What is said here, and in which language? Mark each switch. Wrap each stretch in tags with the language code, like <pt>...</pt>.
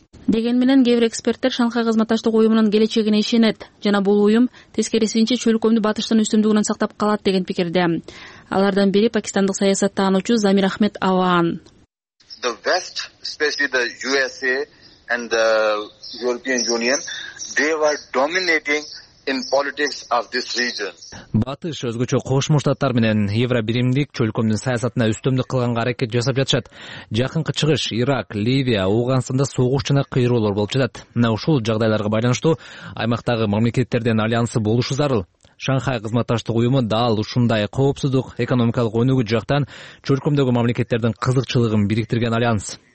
<ky>Деген менен кээ бир эксперттер Шанхай кызматташтык уюмунун келечегине ишенет жана бул уюм тескерисинче чөлкөмдү батыштын үстөмдүгүнөн сактап калат деген пикирде. Алардан бири пакистандык саясаттануучу Замир Ахмед Аван.</ky> <en>The West, especially the USA and the European Union, they were dominating in politics of this region.</en> <ky>Батыш өзгөчө Кошмо Штаттар менен Евробиримдик чөлкөмдүн саясатына үстөмдүк кылганга аракет жасап жатышат. Жакынкы чыгыш, Ирак, Ливия, Ауганстанда согуш жана кыйроолор болуп жатат. Мына ушул жагдайларга байланыштуу аймактагы мамлекеттерден альянсы болушу зарыл. Шанхай кызматташтык уюму дал ушундай коопсуздук, экономикалык өнүгүү жактан чөлкөмдөгү мамлекеттердин кызыкчылыгын бириктирген альянс.</ky>